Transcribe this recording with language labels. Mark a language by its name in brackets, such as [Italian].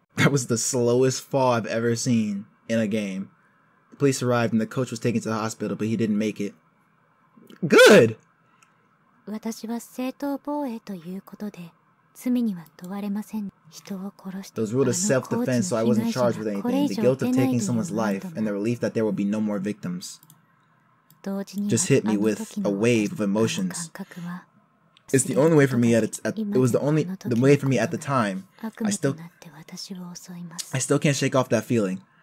[English] Was the slowest fall I've ever seen in a game. The police arrived and the coach was taken to the hospital, but he didn't make it. Good! [Japanese] 私は正当防衛ということで罪には問われません。人を殺した。 [English] Those rules of self-defense, so I wasn't charged with anything. The guilt of taking someone's life and the relief that there would be no more victims just hit me with a wave of emotions. It's the only way for me at the time. I still can't shake off that feeling.